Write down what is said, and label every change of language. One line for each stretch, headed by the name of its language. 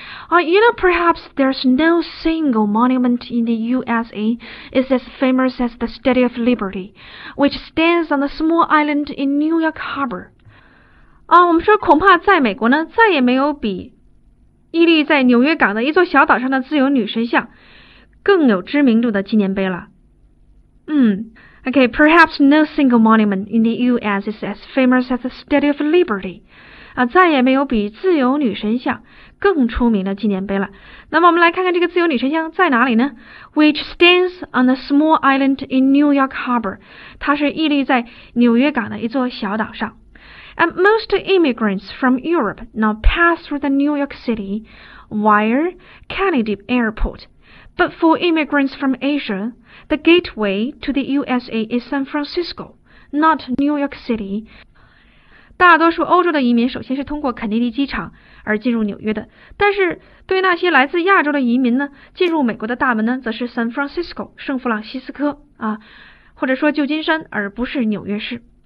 English: You know, perhaps there's no single monument in the USA is as famous as the Statue of Liberty, which stands on a small island in New York Harbor.
Chinese: 我们说恐怕在美国呢，再也没有比屹立在纽约港的一座小岛上的自由女神像更有知名度的纪念碑了。
English: Okay, perhaps no single monument in the U.S. is as famous as the Statue of Liberty.
Chinese: 再也没有比自由女神像更出名的纪念碑了。那么我们来看看这个自由女神像在哪里呢？
English: Which stands on a small island in New York Harbor.
Chinese: 它是屹立在纽约港的一座小岛上。
English: And most immigrants from Europe now pass through the New York City via Kennedy Airport. But for immigrants from Asia, the gateway to the USA is San Francisco, not New York City.
Chinese: 大多数欧洲的移民首先是通过肯尼迪机场而进入纽约的，但是对那些来自亚洲的移民呢，进入美国的大门呢，则是 San Francisco, 圣弗朗西斯科啊，或者说旧金山，而不是纽约市。